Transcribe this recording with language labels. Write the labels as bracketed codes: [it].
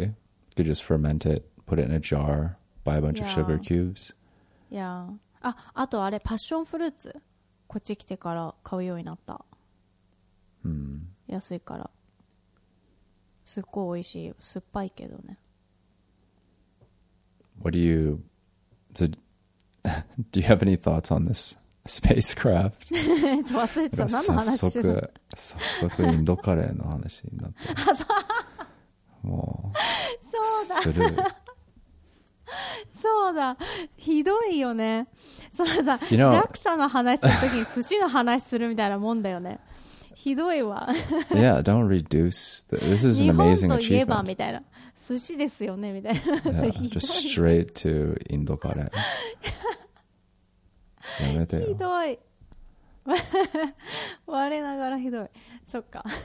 [en] You could just ferment it, put it in a jar, buy a bunch of sugar cubes. Yeah. [ja] あ、あとあれパッションフルーツ。こっち来てから買うようになった。安いから。すっごい美味しい。酸っぱいけどね。 [en] What do you, so, do you have any thoughts on this spacecraft? [ja] ちょっと忘れてた。何の話してた？早速インドカレーの話になって。もう。そうだするそうだひどいよねそのさ [en] you know, [ja] ジャクサの話するときに寿司の話するみたいなもんだよねひどいわ [en] yeah, don't reduce the, this is an amazing achievement [ja] 日本といえばみたいな寿司ですよねみたいな [en] yeah, just straight to [ja] インドカレーやめてよひどい我ながらひどいそっか